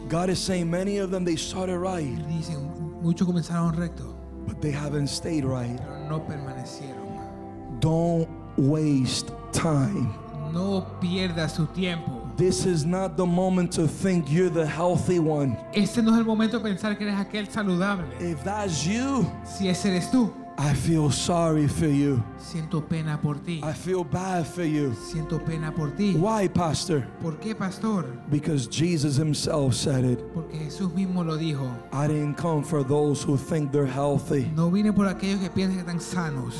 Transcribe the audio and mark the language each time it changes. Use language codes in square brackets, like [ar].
[en] God is saying many of them, they started right. [es] Dicen, muchos comenzaron recto, [en] but they haven't stayed right. [es] Pero no permanecieron. [en] Don't waste time. [es] No pierda su tiempo. [en] This is not the moment to think you're the healthy one. [es] Este no es el momento de pensar que eres aquel saludable. [en] If that's you, [es] si ese eres tú, [en] I feel sorry for you. [es] Siento pena por ti. [en] I feel bad for you. [es] Siento pena por ti. [en] Why, pastor? [es] ¿Por qué, pastor? [en] Because Jesus himself said it. [es] Porque Jesús mismo lo dijo. [en] I didn't come for those who think they're healthy. [es] No vine por aquellos que piensan que están sanos.